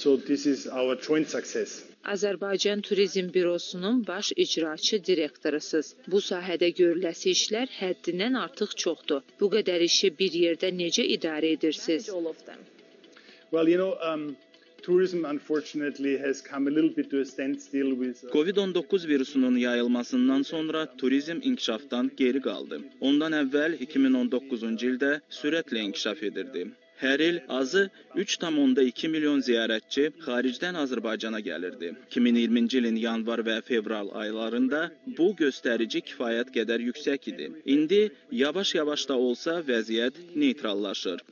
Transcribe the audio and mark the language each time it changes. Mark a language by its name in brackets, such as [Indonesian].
[Azerbaijani] Azərbaycan Turizm Bürosunun baş icraçı direktorusuz. Bu sahədə görüləsi işlər həddindən artıq çoxdur. Bu qədər işi bir yerdə necə idarə edirsiniz? [English] Well, you know, tourism unfortunately has come a little bit to a standstill with [Azerbaijani] COVID-19 virusunun yayılmasından sonra turizm inkişafdan geri qaldı. Ondan əvvəl 2019-cu ildə sürətlə inkişaf edirdi. Hər il azı 3,2 milyon ziyarətçi xaricdən Azərbaycana gəlirdi. 2020-ci ilin yanvar və fevral aylarında bu göstərici kifayət qədər yüksək idi. İndi yavaş-yavaş da olsa vəziyyət neytrallaşır.